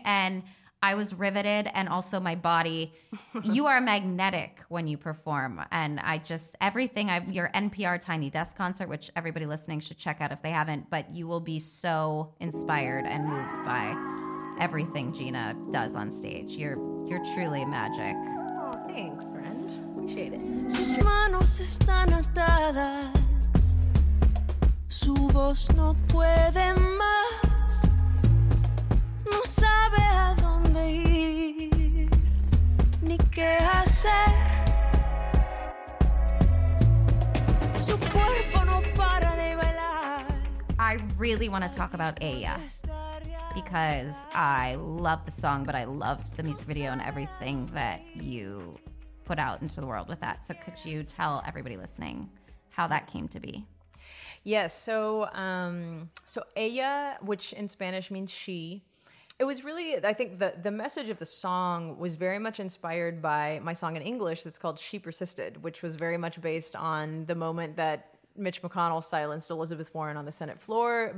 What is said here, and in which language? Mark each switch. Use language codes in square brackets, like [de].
[en] And I was riveted, and also my body. You are magnetic when you perform. And I just, everything, your NPR Tiny Desk concert, which everybody listening should check out if they haven't, but you will be so inspired and moved by everything Gina does on stage. You're truly magic. Thanks, Ren. [es] Sus manos están atadas, su voz no puede más, no sabe a dónde ir ni qué hacer. Su cuerpo no para de bailar. [en] I really want to talk about Aya, because I love the song, but I love the music video and everything that you put out into the world with that. So could you tell everybody listening how that came to be? Yes. So ella, which in Spanish means she, it was really, I think the message of the song was very much inspired by my song in English that's called She Persisted, which was very much based on the moment that Mitch McConnell silenced Elizabeth Warren on the Senate floor.